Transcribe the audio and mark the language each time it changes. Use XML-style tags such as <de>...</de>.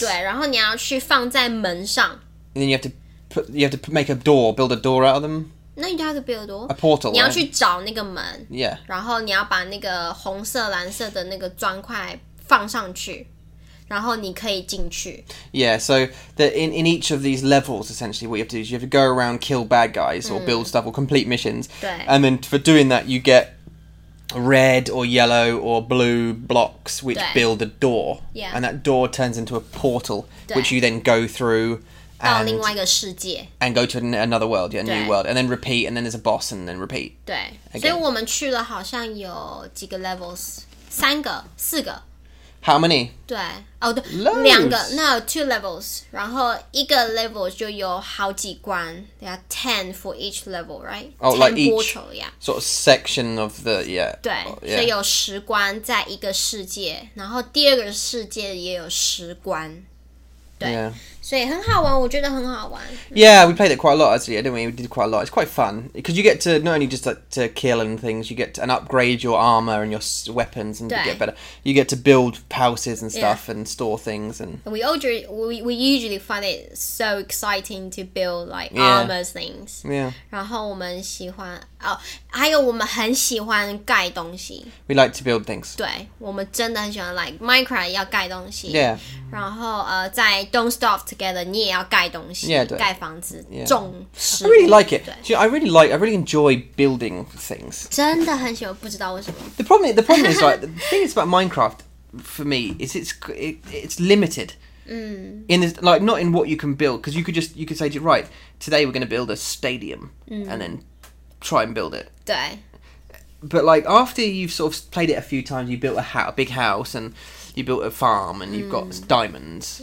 <zh>对，然后你要去放在门上。</zh> <en>And then you have to make a door, build a door out of them.</en> <zh>那你就要去 build</zh> <en>a portal，</en> <zh>你要去找那个门，</zh> <en>yeah.</en> <zh>然后你要把那个红色、蓝色的那个砖块放上去，然后你可以进去。</zh> <en>Yeah, so the in each of these levels, essentially, what you have to do is you have to go around, kill bad guys, or build stuff, or complete missions.</en> <zh>对。</zh> <en>And then for doing that, you get red or yellow or blue blocks, which build a door. Yeah. And that door turns into a portal, which you then go through.</en> <zh>到另外一个世界</zh> <en>and go to another world, yeah, a new world, and then repeat, and then there's a boss, and then repeat.</en> <zh>对，所以我们去了好像有几个 levels, 3个、4个。</zh> <en>How many?</en> <zh>对，哦，对，两个</zh> <en>，no, 2 levels.</en> <zh>然后一个 level 就有好几关</zh> <en>，there are 10 for each level, right? Oh, like each portal, yeah. Sort of section of the yeah.</en> <zh>对，所以有十关在一个世界，然后第二个世界也有十关。对。所以很好玩，我觉得很好玩。</zh> <en>Yeah, we played it quite a lot, actually, didn't we? We did quite a lot. It's quite fun. Because you get to not only just like, to kill and things, you get to and upgrade your armor and your weapons and get better. You get to build houses and stuff and store things. And we usually find it so exciting to build like armor things. Yeah.</en> <zh>然后我们喜欢还有我们很喜欢盖东西。</zh> <en>We like to build things.</en> <zh>对，我们真的很喜欢 like Minecraft 要盖东西。</zh> <en>Yeah.</en> <zh>然后在 Don't Stop Together 你也要盖东西。</zh> <en>Yeah, 对。</en> <zh>盖房子，种</zh> <en>食物。I really like it. I really enjoy building things.</en> <zh>真的很喜欢，不知道为什么。</zh> <en>The problem is right. The thing is about Minecraft for me is it's limited. In this, like not in what you can build because you could say right today we're going to build a stadium and then. Try and build it.</en> <zh>对</zh> <en>But like after you've sort of played it a few times, you built a big house and you built a farm and you've got diamonds.</en>